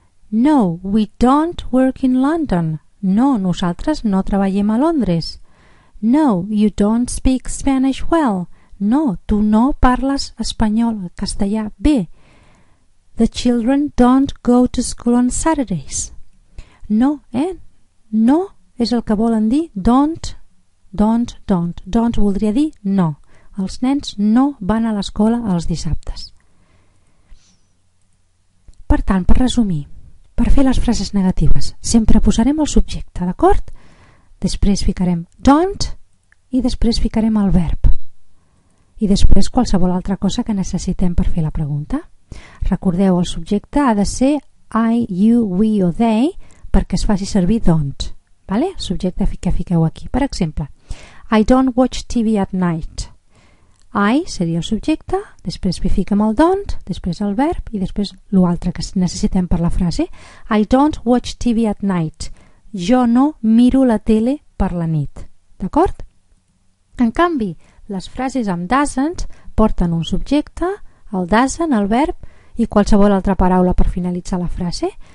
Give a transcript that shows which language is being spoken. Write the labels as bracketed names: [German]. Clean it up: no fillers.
[English] No, we don't work in London. [Catalan] No, nosaltres no treballem a Londres. [English] No, you don't speak Spanish well. [Catalan] No, tu no parles espanyol, castellà, bé. [English] The children don't go to school on Saturdays. [Catalan] No, No és el que volen dir don't, don't, don't. Don't voldria dir no. Els nens no van a l'escola els dissabtes. Per tant, per resumir, per fer les frases negatives, sempre posarem el subjecte, d'acord? Després ficarem don't i després ficarem el verb. I després qualsevol altra cosa que necessitem per fer la pregunta. Recordeu, el subjecte ha de ser I, you, we o they perquè es faci servir don't. Vale? Subjecte que fiqueu aquí. Per exemple, [English] I don't watch TV at night. [Catalan] I seria el subjecte, després hi fiquem el don't, després el verb i després l'altre que necessitem per la frase. [English] I don't watch TV at night. [Catalan] Jo no miro la tele per la nit. D'acord? En canvi, les frases amb doesn't porten un subjecte, el doesn't, el verb i qualsevol altra paraula per finalitzar la frase.